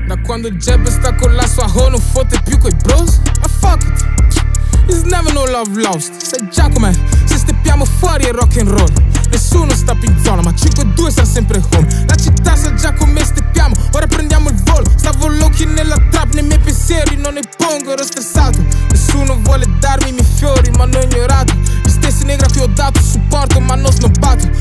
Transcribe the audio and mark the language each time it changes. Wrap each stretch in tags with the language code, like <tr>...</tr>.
<it>quando Jeb sta con la sua ho, non fotte più coi bros.</it> <en>Ma fuck it, it's never no love lost.</en> <it>Sai già com'è, se steppiamo fuori è rock and roll. Nessuno sta più in zona, ma 5-2 sta sempre home. La città sa già come steppiamo, ora prendiamo il volo. Stavo low-key nella trap, nei miei pensieri non ne pongo, ero stressato. Nessuno vuole darmi i miei fiori, ma non ho ignorato. Gli stessi negra che ho dato supporto, ma non snobbato.</it>